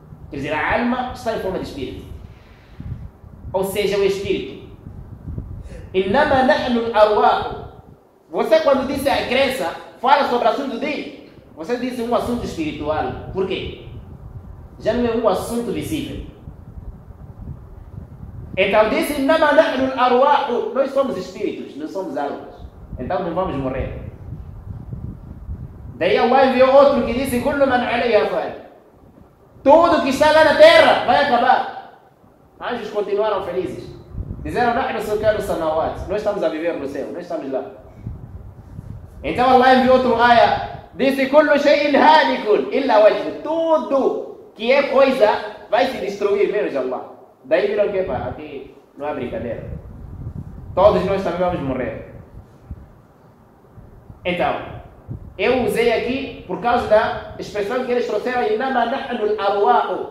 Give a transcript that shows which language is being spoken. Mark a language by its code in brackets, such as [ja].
[pt] Quer dizer, a alma está em forma de espírito. Ou seja, o Espírito. [ar] إنما نحن الأرواح. [pt] Você quando disse a crença, fala sobre o assunto dele. Você disse um assunto espiritual. Por quê? Já não é um assunto visível. Então disse, [ar] إنما نحن الأرواح. [pt] Nós somos espíritos, não somos almas. Então não vamos morrer. Daí Allah enviou outro que disse, [ar] كل من عليه فان. [pt] Tudo que está lá na terra vai acabar. Anjos continuaram felizes. Dizeram, [ar] نحن سكان السماوات. [pt] Nós estamos a viver no céu, nós estamos lá. Então Allah enviou outro aia. Disse, [ar] كل شيء هالك إلا وجهه. [pt] Tudo que é coisa vai se destruir, menos Allah. Daí viram que, pá, aqui não é brincadeira. Todos nós também vamos morrer. Então, eu usei aqui por causa da expressão que eles trouxeram, [ar] إِنَّمَا نَحْنُ الْأَرْوَاحُ.